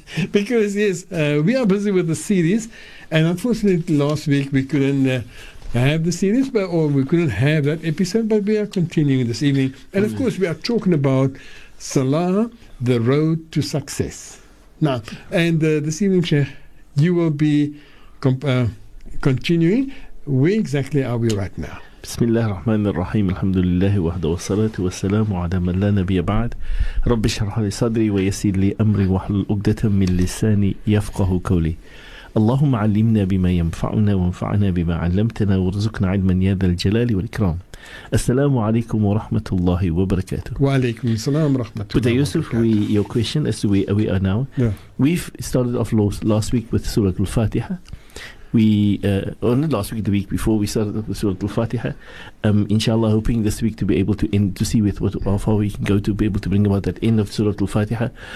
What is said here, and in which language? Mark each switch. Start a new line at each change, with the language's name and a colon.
English: Because, yes, we are busy with the series, and unfortunately, last week we couldn't have the series, or we couldn't have that episode, but we are continuing this evening. And, of course, we are talking about Salah, the road to success. Now, and this evening, Sheikh, you will be continuing Where exactly are we right now?
Arabic: بسم الله الرحمن الرحيم الحمد لله وحده والصلاة والسلام على من لا نبي بعد رب اشرح لي صدري ويسر لي أمري واحلل عقدة من لساني يفقه قولي اللهم علمنا بما ينفعنا وانفعنا بما علمتنا وارزقنا علما يا ذا الجلال والإكرام السلام عليكم ورحمة الله وبركاته وعليكم السلام ورحمة الله وبركاته.
English: But Yusuf, your question as to where we are now. Yeah. We've started off last week with Surah Al-Fatiha. The week before, we started with Surah Al-Fatiha. Inshallah, hoping this week to be able to end, to see with what, how far we can go to be able to bring about that end of Surah Al-Fatiha.